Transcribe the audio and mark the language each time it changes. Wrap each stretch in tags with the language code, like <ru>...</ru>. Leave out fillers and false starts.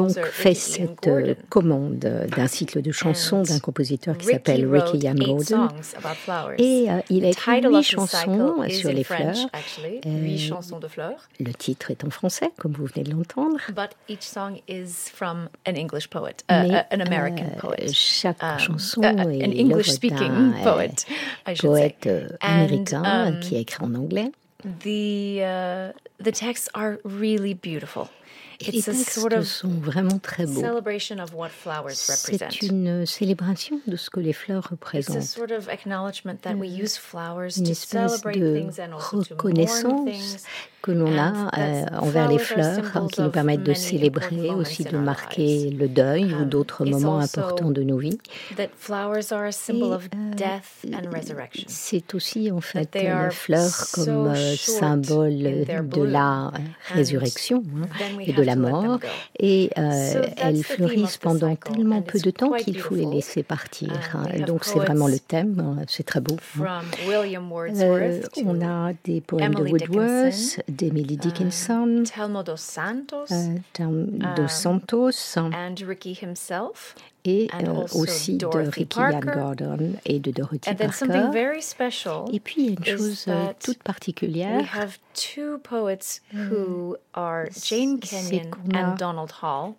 <fr>Fait cette commande d'un cycle de chansons d'un compositeur qui s'appelle Ricky Ian Gordon. Et il a écrit 8 chansons sur les fleurs. Le titre est en français, comme vous venez de l'entendre.</fr> <en>But each song is from an English poet, an American poet.</en> <fr>Chaque chanson est</fr> <en>an English speaking poet, I should say.</en> <fr>Américain qui a écrit en anglais.</fr> <en>The texts are really beautiful.</en> <fr>Les textes sont vraiment très beaux.</fr> <en>Celebration of what flowers represent.</en> <fr>C'est une célébration de ce que les fleurs représentent.</fr> <en>It's a sort of acknowledgement that we use flowers to celebrate things and also to mourn things.</en> <fr>Que l'on a envers les fleurs qui nous permettent de célébrer, aussi de marquer le deuil ou d'autres moments importants de nos vies.</fr> <en>That flowers are a symbol of death and resurrection.</en> <fr>C'est aussi en fait les fleurs comme symbole de la résurrection et de la mort. Et elles fleurissent pendant tellement peu de temps qu'il faut les laisser partir. Donc c'est vraiment le thème, c'est très beau. On a des poèmes de Wordsworth, d'Emily Dickinson,</fr> <en>Telmo dos Santos, and Ricky himself,</en> <fr>et aussi de Ricky Ian Gordon et de Dorothy</fr> <en>and Parker. Then something very special,</en> <fr>et puis une chose toute particulière,</fr> <en>we have two poets who are Jane Kenyon and Donald Hall,</en>